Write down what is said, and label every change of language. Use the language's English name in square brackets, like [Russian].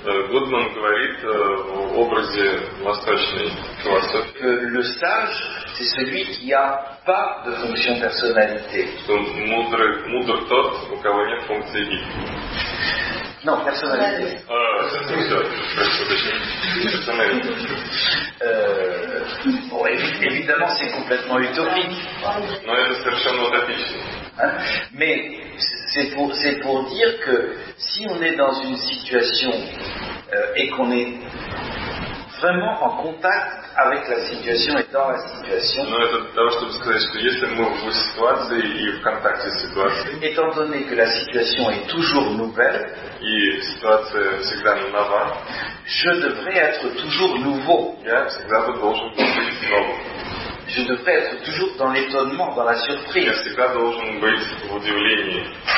[Russian] Goodman говорит в образе восточной философии, [French] que le sage, c'est celui qui a pas de fonction personnalité. [Russian] Что мудрый тот, у кого нет функции ги. [French] Non, personnalité. Personnalité. Évidemment, c'est complètement utopique. Non, c'est [Russian] совершенно [French] utopique. Mais c'est pour dire que si on est dans une situation et qu'on est vraiment en contact avec la situation et dans la situation. Non, [Russian] это для того, чтобы сказать, что если мы в ситуации и в контакте с ситуацией. [French] Étant donné que la situation est toujours nouvelle. [Russian] И ситуация всегда нова. [French] Je devrais être toujours nouveau. [Russian] Я всегда должен быть новым. [French] Je devrais être toujours dans l'étonnement, dans la surprise. [Russian] Я всегда должен быть в удивлении.